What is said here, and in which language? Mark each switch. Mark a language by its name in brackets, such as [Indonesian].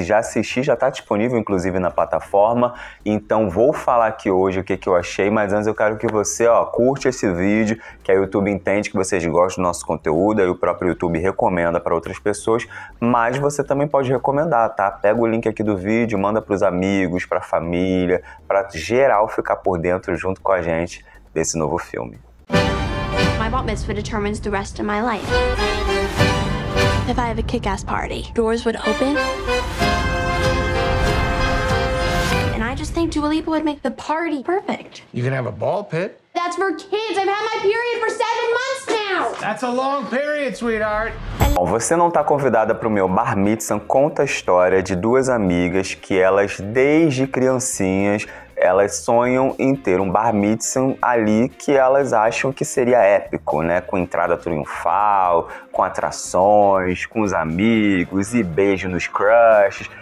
[Portuguese] Já assisti, já tá disponível, inclusive, na plataforma. Então, vou falar aqui hoje o que, que eu achei, mas antes eu quero que você, ó, curte esse vídeo, que a YouTube entende que vocês gostam do nosso conteúdo, aí o próprio YouTube recomenda pra outras pessoas, mas você também pode recomendar, tá? Pega o link aqui do vídeo, manda pros amigos, pra família, pra geral ficar por dentro junto com a gente desse novo filme. [English] My bat mitzvah determines the rest of my life. If I have a kick-ass party, doors would open. And I just think Dua Lipa would make the party perfect. You can have a ball pit. That's for kids. I've had my period for 7 months now. That's a long period, sweetheart. [Portuguese] Bom, Você Não Tá Convidada pro meu Bar Mitzvah conta a história de duas amigas que elas, desde criancinhas, elas sonham em ter um Bar Mitzvah ali que elas acham que seria épico, né? Com entrada triunfal, com atrações, com os amigos e beijo nos crushes.